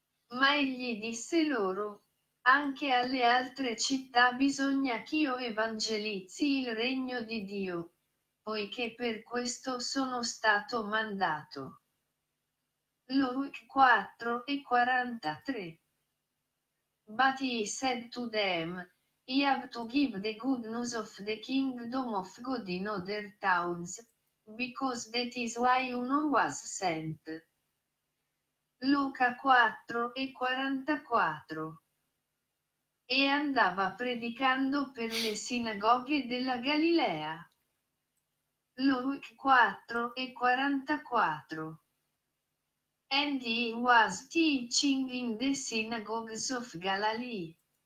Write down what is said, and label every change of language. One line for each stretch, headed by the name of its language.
Italian: Ma egli disse loro, anche alle altre città bisogna ch'io evangelizzi il regno di Dio, poiché per questo sono stato mandato.
English: Luke 4 e 43. But he said to them, I have to give the good news of the kingdom of God in other towns, because that is why uno was sent.
Italian: Luca 4 e 44. E andava predicando per le sinagoghe della Galilea.
English: Luke 4 e 44. And he was teaching in the synagogues of Galilee.